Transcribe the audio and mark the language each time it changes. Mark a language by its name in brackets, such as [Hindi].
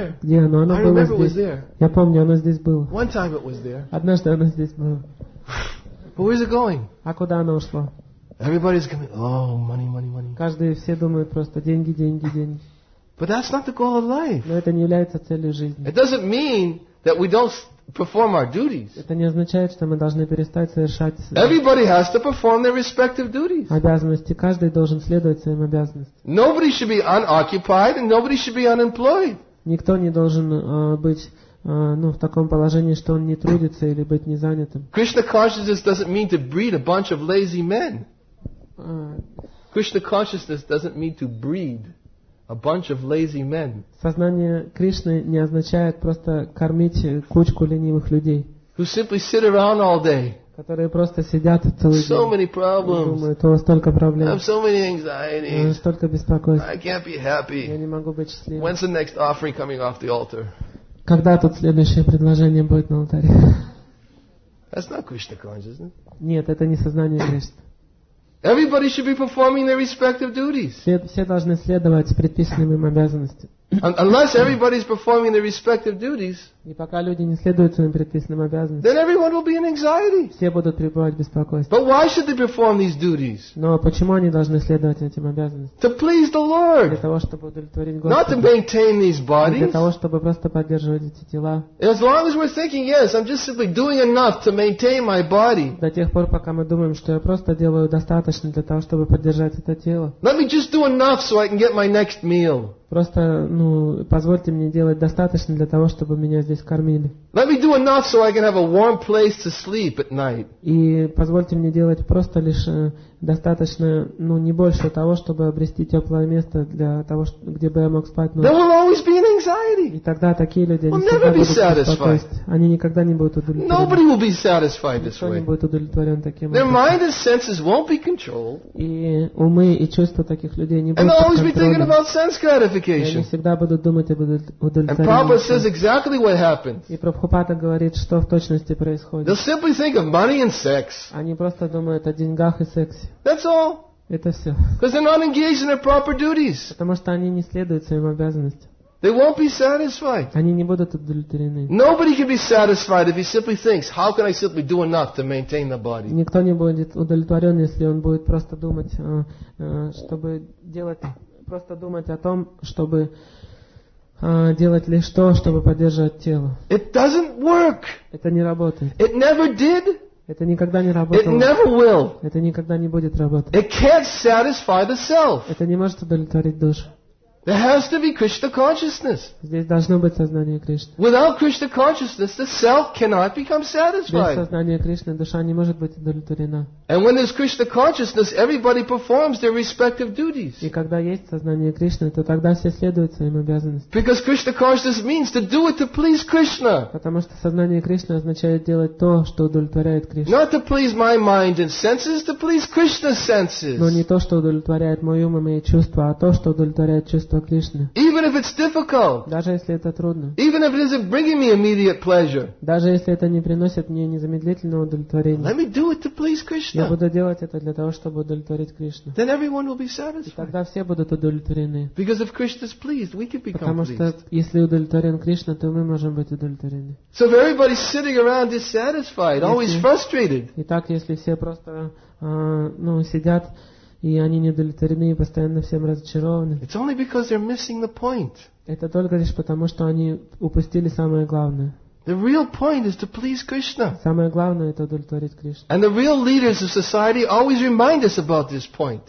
[Russian] Где оно? Оно было здесь. Я помню, оно здесь было. [English] One time it was there. [Russian] Однажды оно здесь было. [English] But where is it going? [Russian] А куда оно ушло? [English] Everybody's coming. Oh, money, money, money. [Russian] Каждый все думают просто деньги, деньги, деньги. [English] But that's not the goal of life. [Russian] Но это не является целью жизни. [English] It doesn't mean that we don't perform our duties. [Russian] Это не означает, что мы должны перестать совершать. [English] Everybody has to perform their respective duties. [Russian] Обязанности каждый должен следовать своим обязанностям. [English] Nobody should be unoccupied and nobody should be unemployed. [Russian] Никто не должен быть в таком положении, что он не трудится или быть незанятым. [English] Krishna consciousness doesn't mean to breed a bunch of lazy men. Krishna consciousness doesn't mean to breed a bunch of lazy men. [Russian] Сознание Кришны не означает просто кормить кучку ленивых людей. [English] Who simply sit around all day. [Russian] Которые просто сидят целый день. [English] So many problems. [Russian] Думают, у вас столько проблем. [English] I have so many anxieties. [Russian] Столько беспокойств. [English] I can't be happy. [Russian] Я не могу быть счастливым. [English] When's the next offering coming off the altar? [Russian] Когда тут следующее предложение будет на алтаре? [English] That's not Krishna consciousness. [Russian] Нет, это не сознание Кришны. [English] Everybody should be performing their respective duties. [Russian] Все должны следовать предписанным им обязанностям. [English] Unless everybody's performing their respective duties, [Russian] и пока люди не следуют своим предписанным обязанностям, [English] then everyone will be in anxiety. [Russian] Все будут пребывать в беспокойстве. [English] But why should they perform these duties? [Russian] Но почему они должны следовать этим обязанностям? [English] To please the Lord. [Russian] Для того, чтобы удовлетворить Господа. [English] Not to maintain these bodies. [Russian] Для того, чтобы просто поддерживать эти тела. [English] As long as we're thinking, yes, I'm just simply doing enough to maintain my body. [Russian] До тех пор, пока мы думаем, что я просто делаю достаточно для того, чтобы поддержать это тело. [English] Let me just do enough so I can get my next meal. [Russian] Просто, ну, позвольте мне делать достаточно для того, чтобы меня здесь кормили. [English] Let me do enough so I can have a warm place to sleep at night. [Russian] И позвольте мне делать просто лишь достаточно, ну, не больше того, чтобы обрести теплое место для того, где бы я мог спать ночью. [English] There will always be an anxiety. [Russian] И тогда такие люди не всегда будут беспокоить. Они никогда не будут удовлетворены. [English] Nobody will be satisfied this way. [Russian] Никто не будет удовлетворен таким образом. [English] Their mind and senses won't be controlled. [Russian] И умы и чувства таких людей не будут контролированы. И они всегда будут думать об удовлетворении. [English] And Prabhupada says exactly what happens. [Russian] И Прабхупада говорит, что в точности происходит. [English] They'll simply think of money and sex. [Russian] Они просто думают о деньгах и сексе. [English] That's all. [Russian] Это все. [English] Because they're not engaged in their proper duties. [Russian] Потому что они не следуют своим обязанностям. [English] They won't be satisfied. [Russian] Они не будут удовлетворены. [English] Nobody can be satisfied if he simply thinks, how can I simply do enough to maintain the body? [Russian] Никто не будет удовлетворен, если он будет просто думать, чтобы делать. Просто думать о том, чтобы делать лишь то, чтобы поддерживать тело. [English] It doesn't work. [Russian] Это не работает. [English] It never did. [Russian] Это никогда не работало. [English] It never will. [Russian] Это никогда не будет работать. [English] It can't satisfy the self. [Russian] Это не может удовлетворить душу. [English] There has to be Krishna consciousness. [Russian] Здесь должно быть сознание Кришны. [English] Without Krishna consciousness, the self cannot become satisfied. [Russian] Без сознания Кришны душа не может быть удовлетворена. [English] And when there's Krishna consciousness, everybody performs their respective duties. [Russian] И когда есть сознание Кришны, то тогда все следуют своим обязанностям. [English] Because Krishna consciousness means to do it to please Krishna. [Russian] Потому что сознание Кришны означает делать то, что удовлетворяет Кришну. [English] Not to please my mind and senses, to please Krishna's senses. [Russian] Но не то, что удовлетворяет мой ум и мои чувства, а то, что удовлетворяет чувства. [English] Even if it's difficult, [Russian] даже если это трудно, [English] even if it isn't bringing me immediate pleasure, [Russian] даже если это не приносит мне незамедлительного удовлетворения, [English] let me do it to please Krishna. [Russian] Я буду делать это для того, чтобы удовлетворить Кришну. [English] Then everyone will be satisfied. [Russian] И тогда все будут удовлетворены. [English] Because if Krishna is pleased, we can become pleased. [Russian] Потому что если удовлетворен Кришна, то мы можем быть удовлетворены. [English] So if everybody's sitting around dissatisfied, always frustrated. [Russian] Итак, если все просто, ну, сидят. И они недовлетворены и постоянно всем разочарованы. [English] It's only because they're missing the point. [Russian] Это только лишь потому, что они упустили самое главное. [English] The real point is to please Krishna. [Russian] Самое главное — это удовлетворить Кришну. [English] And the real leaders of society always remind us about this point.